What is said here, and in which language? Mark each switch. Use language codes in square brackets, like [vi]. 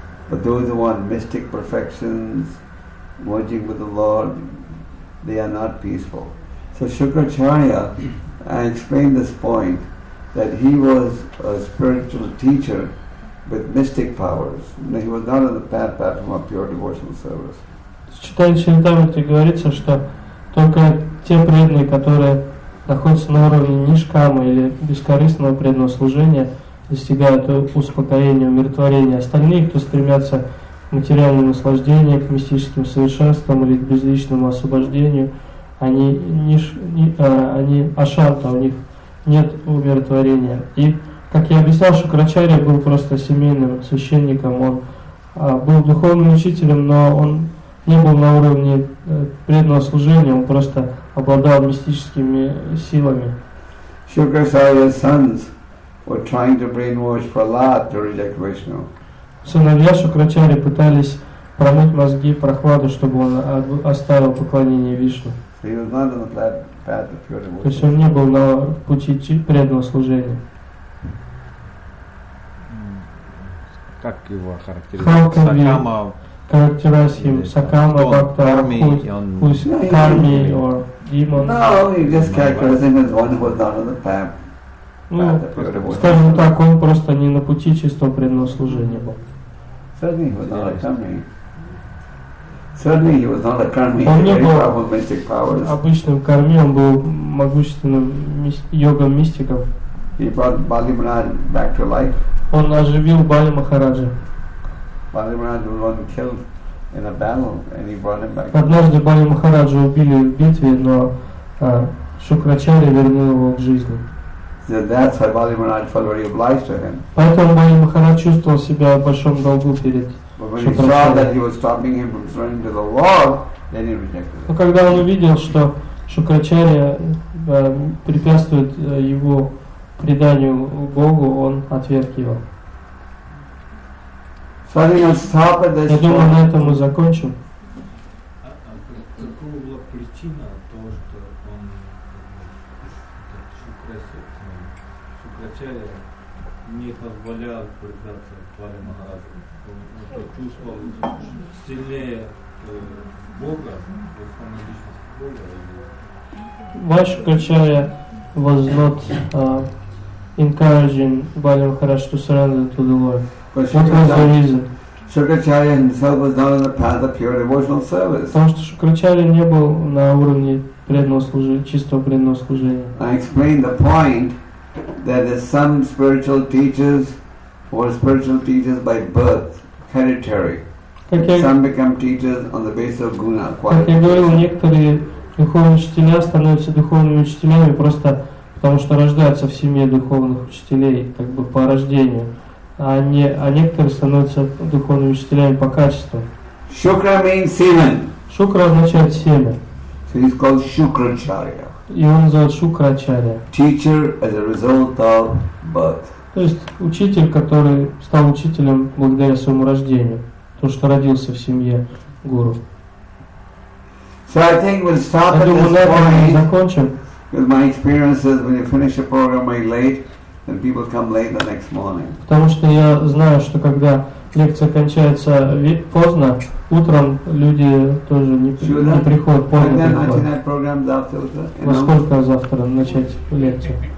[en] But those who want mystic perfections, merging with the Lord, they are not peaceful. So Shukracharya, I explained this point, that he was a spiritual teacher with mystic powers. He was not on the path of pure devotional service. [ru] Читая Чаритамриту, говорится, что только те преданные, которые находятся на уровне нишкамы или бескорыстного преданного служения, достигают успокоения, умиротворения. Остальные, кто стремятся к материальному наслаждению, к мистическим совершенствам или к безличному освобождению, они ашанта, у них нет умиротворения. И, как я объяснял, Шукрачарья был просто семейным священником, он был духовным учителем, но он не был на уровне преданного служения, он просто обладал мистическими силами. [en] Shukracharya's sons were trying to brainwash Prahlad to reject Vishnu. [ru] Сыновья Шукрачарьи пытались промыть мозги Прохладу, чтобы он оставил поклонение Вишну. [en] So he was not on the path of pure devotion. [ru] То есть он не был на пути преданного служения. Как его характеризовать? Сакама. [en] Characterize him Sakama Bhakta who's Karmi or demon. No, he just characterized him as one who was not on the path. [ru] Скажем так, он просто не на пути чистого преданного служения был. [en] Certainly he was not a karmi. Certainly he was not a karmi, he had powerful mystic powers. [ru] Обычным карми, он был могущественным йогом мистиков. [en] He brought Bali Maharaj back to life. [ru] Он оживил Бали Махараджа. [en] Bali Maharaj was once killed in a battle and he brought him back. [ru] Однажды Бали Махараджа убили в битве, но Шукрачарья вернул его к жизни. [en] That's why Bali Maharaj felt very obliged to him. [ru] Поэтому Бали Махарадж чувствовал себя в большом долгу перед Шукрачарьей. [en] But when he saw that he was stopping him from surrendering to the Lord, then he rejected it. [ru] Но когда он увидел, что Шукрачарья препятствует его преданию Богу, он отверг его. [en] So I think I'll stop at this. [ru] Я думаю, на этом мы закончим. Какого была причина того, что он Шукрачарья не позволял предаться Бали Махараджу? Он чувствовал сильнее Бога, верховной личности Бога? Ваш [en] Шукрачарья was not encouraging Бали Махараджу to surrender to the Lord. What was the reason? Shukracharya himself was not on the path of pure devotional service. [ru] Потому что Шукрачарья не был на уровне преданного служения, чистого преданного служения. [en] I explained the point that there's some spiritual teachers who are spiritual teachers by birth, hereditary. Some become teachers on the basis of guna, quality. [ru] Как я говорил, некоторые духовные учителя становятся духовными учителями просто потому что рождаются в семье духовных учителей, как бы по рождению. А некоторые становятся духовными учителями по качеству. [en] Shukra means semen. [ru] Шукра означает семя. [en] So he's called Shukracharya. [ru] И он зовут Шукрачарья. [en] Teacher as a result of birth. [ru] То есть учитель, который стал учителем благодаря своему рождению, то что родился в семье гуру. [en] So I think we'll stop at this point. [ru] Закончим. [en] With my experiences, when you finish a program, very late. And people come late the next morning. [ru] Потому что я знаю, что когда лекция кончается поздно, утром люди тоже не приходят поздно. [en] And then night program [ru] завтра. Во сколько завтра начать лекцию?